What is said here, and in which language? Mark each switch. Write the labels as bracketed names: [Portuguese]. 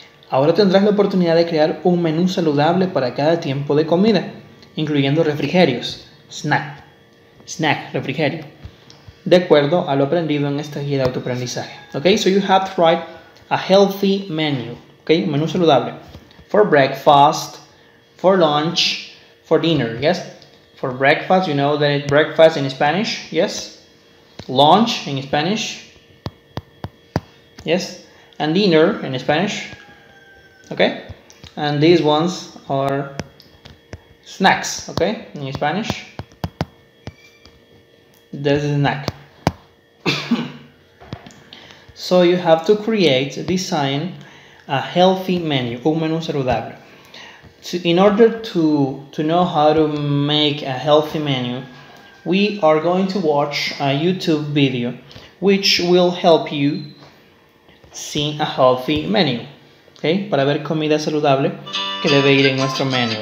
[Spanish] Ahora tendrás la oportunidad de crear un menú saludable para cada tiempo de comida, incluyendo refrigerios. Snack, refrigerio. De acuerdo a lo aprendido en esta guía de autoaprendizaje. [English] Okay, so you have to write a healthy menu. Okay, [Spanish] un menú saludable. [English] For breakfast, for lunch, for dinner, yes? For breakfast, you know that it's breakfast in Spanish, yes? Lunch in Spanish, yes? And dinner in Spanish, okay? And these ones are snacks, okay? In Spanish, this is a snack. So you have to create, design a healthy menu, [Spanish] un menu saludable. [English] So in order to know how to make a healthy menu, we are going to watch a YouTube video which will help you see a healthy menu. Okay? [Spanish] Para ver comida saludable que debe ir en nuestro menu.